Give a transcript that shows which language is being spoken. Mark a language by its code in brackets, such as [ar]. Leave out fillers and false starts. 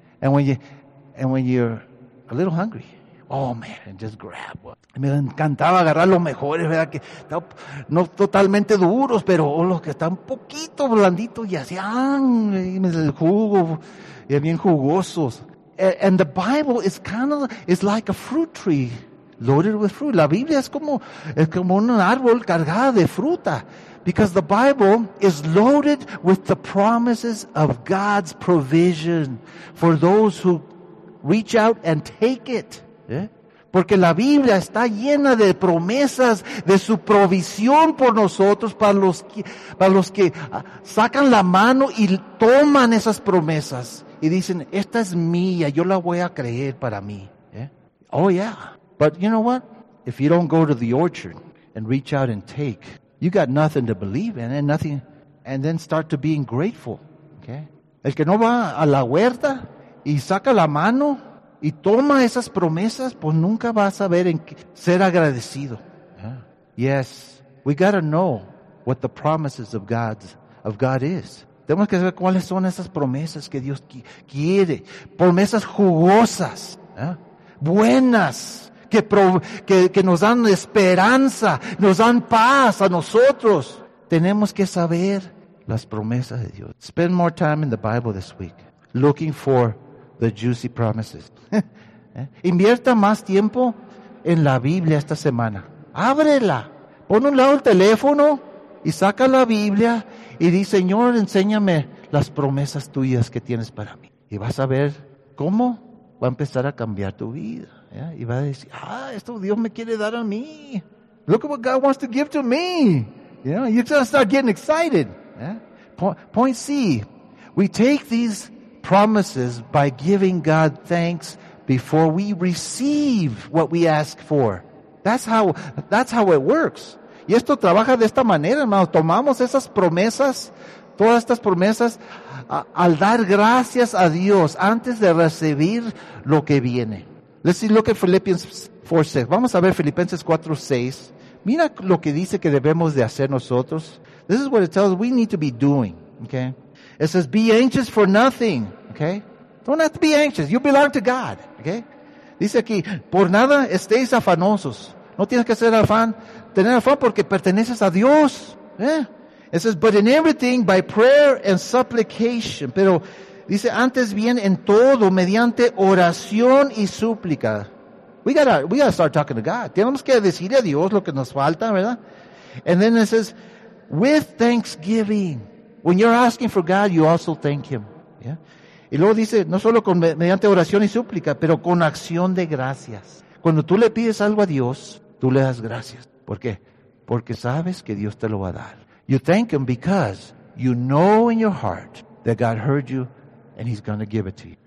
[en] And when you're a little hungry, oh man, and just grab one. [es] Me encantaba agarrar los mejores, verdad, que no totalmente duros, pero los que están un poquito blanditos y hacían el jugo, y bien jugosos. [en] And the Bible is kind of, it's like a fruit tree loaded with fruit. [es] La Biblia es como un árbol cargado de fruta. [en] Because the Bible is loaded with the promises of God's provision for those who reach out and take it. ¿Eh? [es] Porque la Biblia está llena de promesas de su provisión por nosotros, para los que sacan la mano y toman esas promesas y dicen, esta es mía, yo la voy a creer para mí. [en] ¿Eh? Oh yeah, but you know what? If you don't go to the orchard and reach out and take, you got nothing to believe in and nothing, and then start to being grateful. Okay? [es] El que no va a la huerta y saca la mano y toma esas promesas, pues nunca va a saber en qué ser agradecido. [en] Yeah. Yes, we got to know what the promises of God is. [es] Tenemos que saber cuáles son esas promesas que Dios quiere. Promesas jugosas, yeah. Buenas. Que nos dan esperanza, nos dan paz a nosotros. Tenemos que saber las promesas de Dios. [en] Spend more time in the Bible this week, looking for the juicy promises. [es] Invierta más tiempo en la Biblia esta semana. Ábrela. Pon un lado el teléfono y saca la Biblia y di, Señor, enséñame las promesas tuyas que tienes para mí. Y vas a ver cómo va a empezar a cambiar tu vida. Yeah, y va a decir, ah, esto Dios me quiere dar a mí. [en] Look at what God wants to give to me. You know, you're going to start getting excited. Yeah? Point C, we take these promises by giving God thanks before we receive what we ask for. That's how it works. [es] Y esto trabaja de esta manera, hermano. Tomamos esas promesas, todas estas promesas, al dar gracias a Dios antes de recibir lo que viene. [en] Let's see, look at Philippians 4:6. [es] Vamos a ver Filipenses 4:6. Mira lo que dice que debemos de hacer nosotros. [en] This is what it tells us we need to be doing. Okay? It says, be anxious for nothing. Okay? Don't have to be anxious. You belong to God. Okay? [es] Dice aquí, por nada estéis afanosos. No tienes que ser afán. Tener afán porque perteneces a Dios. Yeah? [en] It says, but in everything, by prayer and supplication. [es] Pero dice, antes bien en todo, mediante oración y súplica. [en] We gotta start talking to God. [es] Tenemos que decirle a Dios lo que nos falta, ¿verdad? [en] And then it says, with thanksgiving. When you're asking for God, you also thank Him. Yeah? [es] Y luego dice, no solo con mediante oración y súplica, pero con acción de gracias. Cuando tú le pides algo a Dios, tú le das gracias. ¿Por qué? Porque sabes que Dios te lo va a dar. [en] You thank Him because you know in your heart that God heard you. And He's going to give it to you.